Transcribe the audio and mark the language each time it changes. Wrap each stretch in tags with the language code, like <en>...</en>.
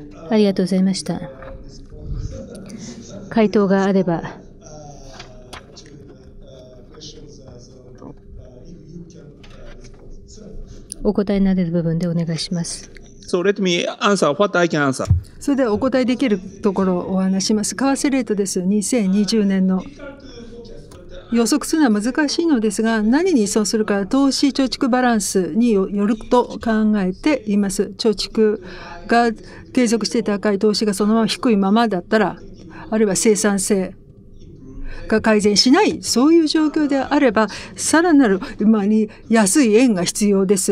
<ja>ありがとうございました。回答があれば。お答えになれる部分でお願いします。</ja> <en>So let me answer what I can answer.</en> <ja>それではお答えできるところをお話します。為替レートです。 2020年の予測するのは難しいのですが、何に依存するか、投資貯蓄バランスによると考えています。貯蓄が継続して高い、投資がそのまま低いままだったら、あるいは生産性が改善しない、そういう状況であれば、さらなる今に安い円が必要です。</ja>